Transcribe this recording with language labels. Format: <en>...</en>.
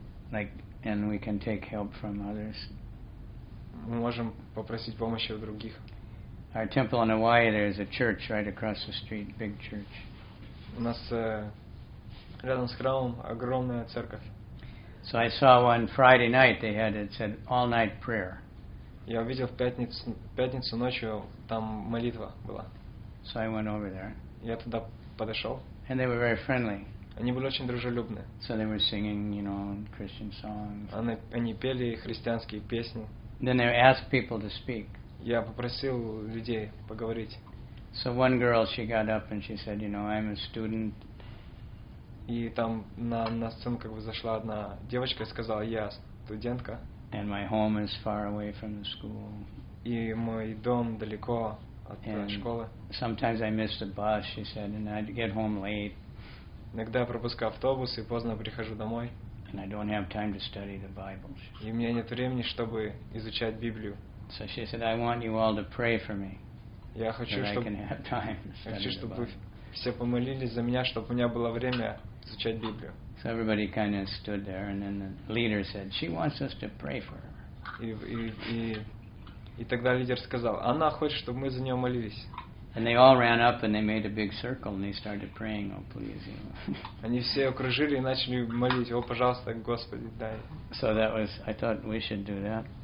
<en>Like, and we can take help from others.</en> <ru>Мы можем попросить помощи у других.</ru> <en>Our temple on Hawaii, there is a church right across the street, big church.</en> <ru>У нас рядом с храмом огромная церковь.</ru> <en>So I saw one Friday night, they had it said all night prayer.</en> <ru>Я увидел в пятницу ночью, там молитва была.</ru> <en>So I went over there.</en> <ru>Я туда подошел.</ru> <en>And they were very friendly.</en> <ru>Они были очень дружелюбны.</ru> <en>So they were singing, you know, Christian songs.</en> <ru>Они пели христианские песни.</ru> <en>Then they asked people to speak.</en> <ru>Я попросил людей поговорить.</ru> <en>So one girl, she got up and she said, you know, I'm a student.</en> <ru>И там на сцену как бы зашла одна девочка и сказала, я студентка.</ru> <en>And my home is far away from the school.</en> <ru>И мой дом далеко от школы.</ru> <en>Sometimes I miss the bus, she said, and I'd get home late.</en> <ru>Иногда я пропускаю автобус и поздно прихожу домой.</ru> <en>And I don't have time to study the Bible.</en> <ru>И у меня нет времени, чтобы изучать Библию.</ru> <en>So she said, I want you all to pray for me.</en> <ru>Я хочу, чтобы все помолились за меня, чтобы у меня было время изучать Библию.</ru> <en>So everybody kind of stood there, and then the leader said, "She wants us to pray for her."</en> <ru>И И тогда лидер сказал: она хочет, чтобы мы за нее молились.</ru> <en>And they all ran up and they made a big circle and they started praying, oh please.</en> <ru>Они все окружили и начали молить: о, пожалуйста, Господи, дай.</ru> <en>So that was, I thought we should do that.</en>